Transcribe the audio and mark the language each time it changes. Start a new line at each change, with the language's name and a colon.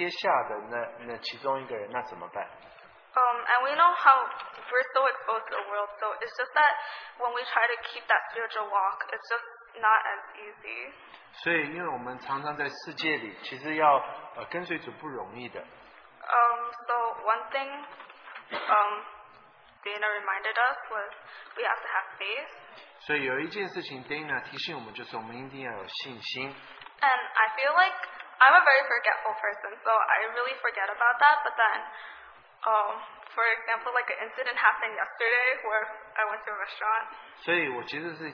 Chinese: 但是我有担心的就是，假如我是那个被撇下的那其中一个人，那怎么办？
English: And we know how we're so exposed to the world, so it's just that when we try to keep that spiritual walk, it's just not as easy.
Chinese: 所以因为我们常常在世界里，其实要跟随主不容易的。
English: So one thing Dana reminded us was we have to have faith.
Chinese: 所以有一件事情 Dana 提醒我们就是我们一定要有信心。
English: And I feel like I'm a very forgetful person, so I really forget about that, but then for example, like an incident happened yesterday where I went to a restaurant.